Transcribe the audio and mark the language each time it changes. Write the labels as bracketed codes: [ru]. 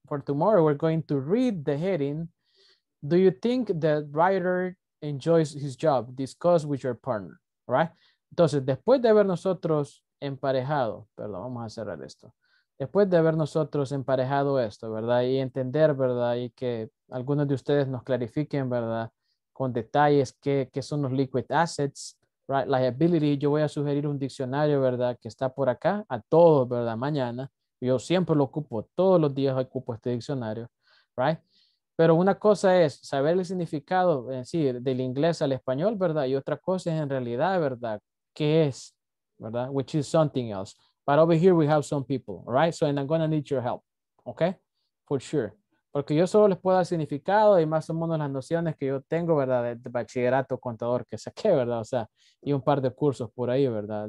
[en] for tomorrow, we're going to read the heading. Do you think the writer enjoys his job? Discuss with your partner, right? [es] Entonces, después de haber nosotros emparejado, perdón, vamos a cerrar esto. Después de haber nosotros emparejado esto, ¿verdad? Y entender, ¿verdad? Y que algunos de ustedes nos clarifiquen, ¿verdad? Con detalles qué son los liquid assets, right? Liability, yo voy a sugerir un diccionario, ¿verdad? Que está por acá a todos, ¿verdad? Mañana. Yo siempre lo ocupo, todos los días ocupo este diccionario, right? Pero una cosa es saber el significado, es decir, del inglés al español, ¿verdad? Y otra cosa es en realidad, ¿verdad? ¿Qué es, verdad? [en] Which is something else. But over here we have some people, all right? So, and I'm going to need your help, okay? For sure. [es] Porque yo solo les puedo dar significado y más o menos las nociones que yo tengo, ¿verdad? De bachillerato contador que saqué, ¿verdad? O sea, y un par de cursos por ahí, ¿verdad?